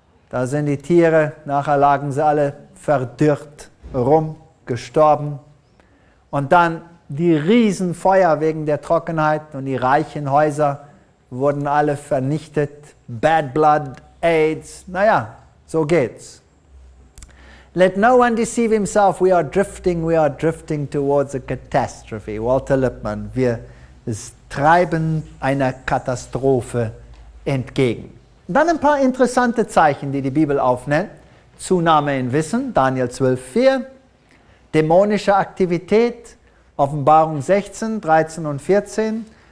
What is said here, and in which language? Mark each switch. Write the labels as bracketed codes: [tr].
[de] Da sind die Tiere, nachher lagen sie alle verdürrt rum, gestorben. Und dann die Riesenfeuer wegen der Trockenheit und die reichen Häuser wurden alle vernichtet. Bad blood, AIDS, naja, so geht's. [en] Let no one deceive himself, we are drifting towards a catastrophe. [de] Walter Lippmann, wir treiben einer Katastrophe entgegen. Dann ein paar interessante Zeichen, die die Bibel aufnennt. Zunahme in Wissen, Daniel 12, 4. Dämonische Aktivität, Offenbarung 16, 13 und 14.